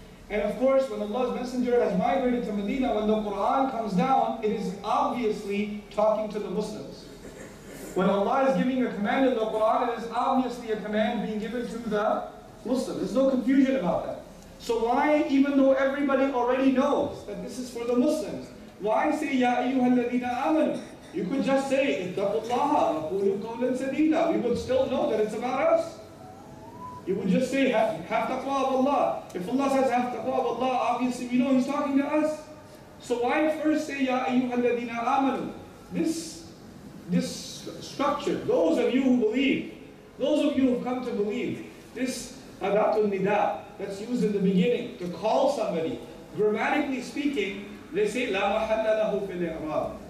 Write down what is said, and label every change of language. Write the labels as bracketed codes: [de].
[en] And of course, when Allah's Messenger has migrated to Medina, when the Quran comes down, it is obviously talking to the Muslims. When Allah is giving a command in the Quran, it is obviously a command being given to the Muslim. There's no confusion about that. So why, even though everybody already knows that this is for the Muslims, why say, [ar] يَا أَيُّهَا الَّذِينَ آمَنُوا? [en] You could just say, [ar] اِتَّقُوا اللَّهَ وَقُولُوا قَوْلًا سَدِيدًا. [en] We would still know that it's about us. You would just say, have taqwa of Allah. If Allah says, have taqwa of Allah, obviously we know He's talking to us. So why first say, [ar] يَا أَيُّهَا الَّذِينَ آمَنُوا? [en] This structure, those of you who believe, those of you who have come to believe, this adatul nida that's used in the beginning to call somebody, grammatically speaking, they say, [ar] لَا مَحَلَّ لَهُ فِي الْإِعْرَابِ.